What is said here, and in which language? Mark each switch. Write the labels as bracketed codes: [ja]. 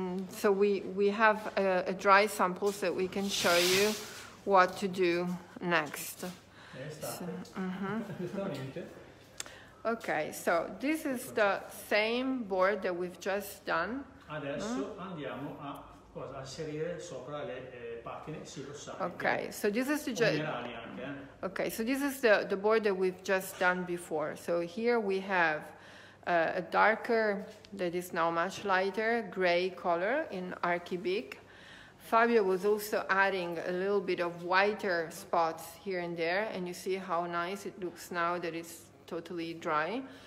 [en] So we have a dry sample, so we can show you what to do next. Mm-hmm. Okay, so this is the same board that we've just done. [it] Adesso andiamo a inserire sopra le patine, si lo sa. [en] Okay, so this is the Okay, so this is the board that we've just done before. So here we have a darker, that is now much lighter, gray color in Archibic. Fabio was also adding a little bit of whiter spots here and there, and you see how nice it looks now that it's totally dry.